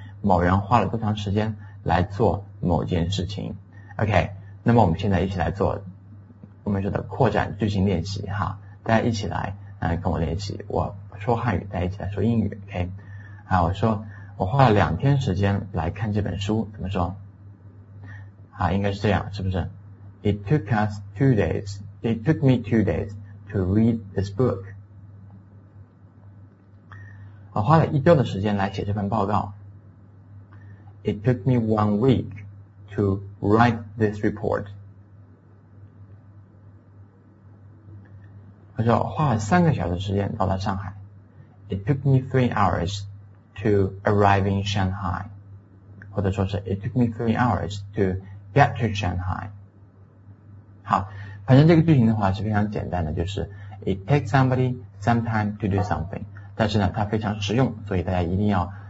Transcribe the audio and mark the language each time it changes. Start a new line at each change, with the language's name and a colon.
Chinese: 某人花了多长时间来做某件事情。 OK, 那么我们现在一起来做我们说的扩展句型练习哈，大家一起来跟我练习。我说汉语，大家一起来说英语。OK, 好，我说我花了两天时间来看这本书，怎么说？啊，应该是这样，是不是？
English: It took me 2 days to read this book.
Chinese: 我花了一周的时间来写这份报告。
English: It took me 1 week to write this report.
Chinese: 我说花了3个小时时间到了上海。
English: It took me 3 hours to arrive in Shanghai.
Chinese: 或者说是
English: It took me 3 hours to get to Shanghai.
Chinese: 好，反正这个句型的话是非常简单的，就是
English: it takes somebody some time to do something.
Chinese: 但是呢它非常实用，所以大家一定要